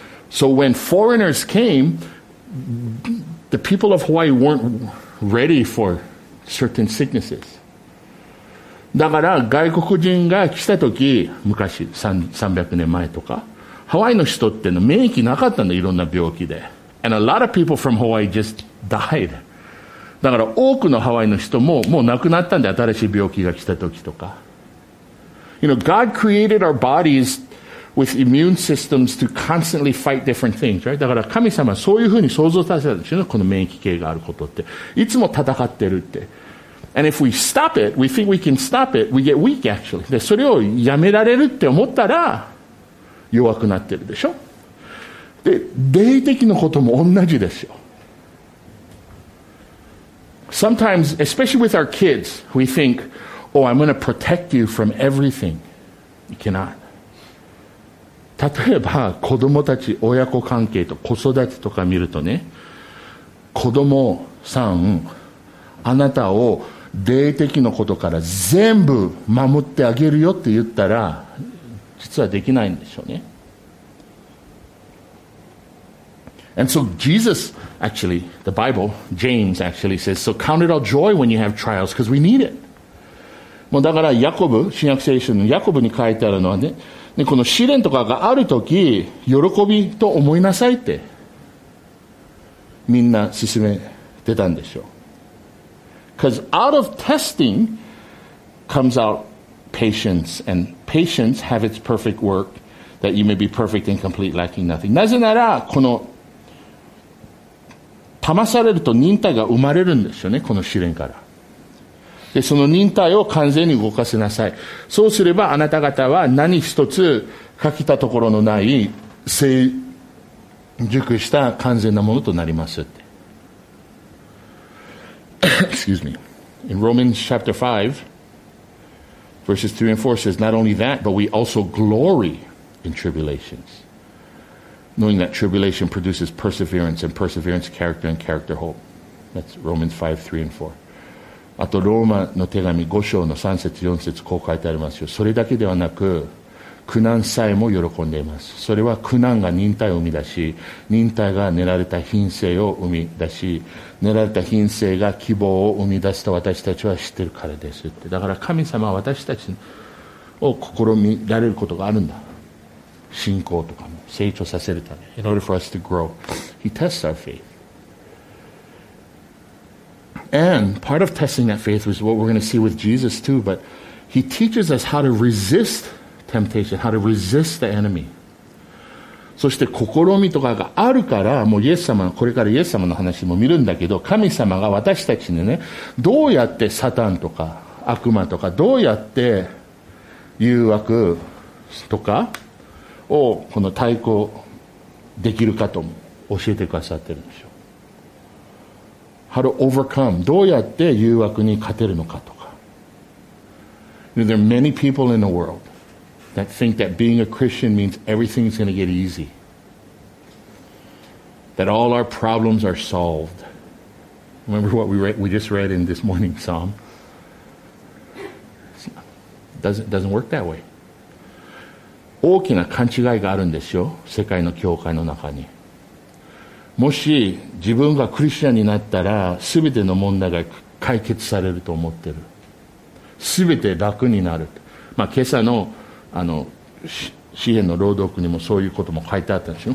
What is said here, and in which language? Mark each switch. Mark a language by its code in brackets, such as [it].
[en] So when foreigners came, the people of Hawaii weren't ready for certain sicknesses. [ja] だから外国人が来た時、昔300年前とか、ハワイの人っての免疫なかったんだ、いろんな病気で。 [en] And a lot of people from Hawaii just died. [ja] だから多くのハワイの人ももう亡くなったんで、新しい病気が来た時とか。 [en] You know, God created our bodies with immune systems to constantly fight different things, right? [ja] だから神様はそういうふうに想像させたんですよね、この免疫系があることって。いつも戦ってるって。 [en] And if we stop it, we think we can stop it, we get weak actually. [ja] で、それをやめられるって思ったら、弱くなってるでしょ。で、霊的のことも同じですよ。 [en] Sometimes, especially with our kids, we think, oh, I'm going to protect you from everything. You cannot. [ja] 例えば、子供たち、親子関係と子育てとか見るとね、子供さん、あなたを霊的のことから全部守ってあげるよって言ったら、実はできないんでしょうね。 [en] And so Jesus, actually, the Bible, James actually says, so count it all joy when you have trials, because we need it. [ja] もうだから、ヤコブ、新約聖書のヤコブに書いてあるのはね、ね、この試練とかがあるとき、喜びと思いなさいって、みんな勧めてたんでしょう。 [en] Because out of testing comes out patience, and patience have its perfect work, that you may be perfect and complete, lacking nothing. [ja] なぜなら、この、騙されると忍耐が生まれるんですよね、この試練から。で、その忍耐を完全に動かせなさい。そうすればあなた方は何一つ欠けたところのない成熟した完全なものとなりますって。 [en] Excuse me. In Romans chapter 5, verses 3 and 4 says, Not only that, but we also glory in tribulations. Knowing that tribulation produces perseverance and perseverance character and character hope. That's Romans 5, 3 and 4. [ja] あとローマの手紙5章の3節4節こう書いてありますよ。それだけではなく苦難さえも喜んでいます。それは苦難が忍耐を生み出し、忍耐が練られた品性を生み出し、練られた品性が希望を生み出すと私たちは知っているからですって。だから神様は私たちを試みられることがあるんだ。信仰とかも成長させるため。 [en] In order for us to grow, he tests our faith. And part of testing that faith was what we're going to see with Jesus too, but he teaches us how to resist temptation, how to resist the enemy. [ja] そして試みとかがあるから、もうイエス様、これからイエス様の話も見るんだけど、神様が私たちにね、どうやってサタンとか悪魔とか、どうやって誘惑とか、をこの対抗できるかとも教えてくださってるんでしょう。 [en] How to overcome? [ja] どうやって誘惑に勝てるのかとか。 [en] There are many people in the world that think that being a Christian means everything's going to get easy. That all our problems are solved. Remember what we just read in this morning psalm? It doesn't work that way. [ja] 大きな勘違いがあるんですよ、世界の教会の中に。もし自分がクリスチャンになったら全ての問題が解決されると思ってる、全て楽になる、まあ、今朝 の、 あの詩篇の朗読にもそういうことも書いてあったんですよ。